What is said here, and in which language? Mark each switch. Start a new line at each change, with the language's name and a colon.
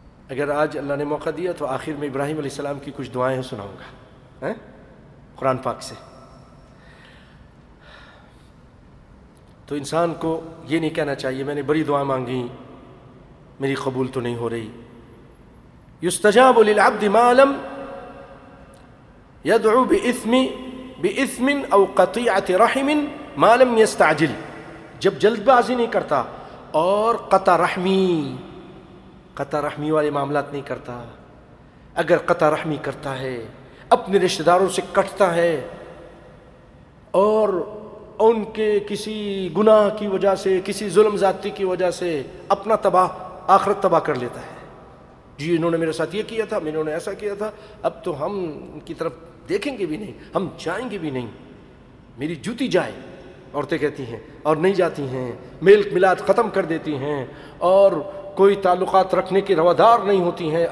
Urdu: اگر آج اللہ نے موقع دیا تو آخر میں ابراہیم علیہ السلام کی کچھ دعائیں سناؤں گا قرآن پاک سے. تو انسان کو یہ نہیں کہنا چاہیے میں نے بڑی دعا مانگی میری قبول تو نہیں ہو رہی.
Arabic: یستجاب للعبد ما لم یدعو باثم باثم او قطیعۃ رحم ما لم یستعجل.
Urdu: جب جلد بازی نہیں کرتا اور قطع رحمی، قطع رحمی والے معاملات نہیں کرتا، اگر قطع رحمی کرتا ہے، اپنے رشتہ داروں سے کٹتا ہے اور ان کے کسی گناہ کی وجہ سے، کسی ظلم زیادتی کی وجہ سے اپنا تباہ، آخرت تباہ کر لیتا ہے، جی انہوں نے میرے ساتھ یہ کیا تھا، انہوں نے ایسا کیا تھا، اب تو ہم ان کی طرف دیکھیں گے بھی نہیں، ہم جائیں گے بھی نہیں، میری جوتی جائے، عورتیں کہتی ہیں، اور نہیں جاتی ہیں، میل ملاد ختم کر دیتی ہیں اور کوئی تعلقات رکھنے کی روادار نہیں ہوتی ہیں.